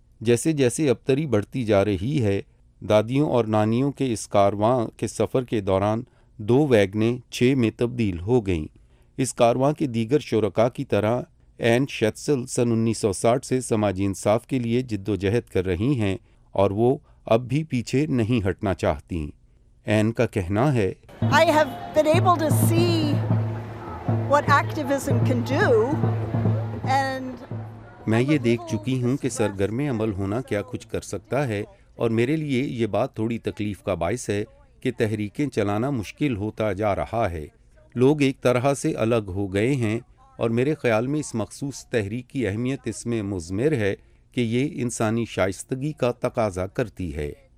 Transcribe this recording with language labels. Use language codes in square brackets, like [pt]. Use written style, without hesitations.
[ur] جیسے جیسے ابتری بڑھتی جا رہی ہے، دادیوں اور نانیوں کے اس کارواں کے سفر کے دوران 2 ویگنیں 6 میں تبدیل ہو گئیں۔ اس کارواں کے دیگر شرکا کی طرح این شیتسل سن 1960 سے سماجی انصاف کے لیے جدوجہد کر رہی ہیں اور وہ اب بھی پیچھے نہیں ہٹنا چاہتی۔ این کا کہنا ہے، [en] I have been able to see what activism can do and [ur] میں یہ دیکھ چکی ہوں کہ سرگرم عمل ہونا کیا کچھ کر سکتا ہے، اور میرے لیے یہ بات تھوڑی تکلیف کا باعث ہے کہ تحریکیں چلانا مشکل ہوتا جا رہا ہے۔ لوگ ایک طرح سے الگ ہو گئے ہیں، اور میرے خیال میں اس مخصوص تحریک کی اہمیت اس میں مضمر ہے کہ یہ انسانی شائستگی کا تقاضا کرتی ہے۔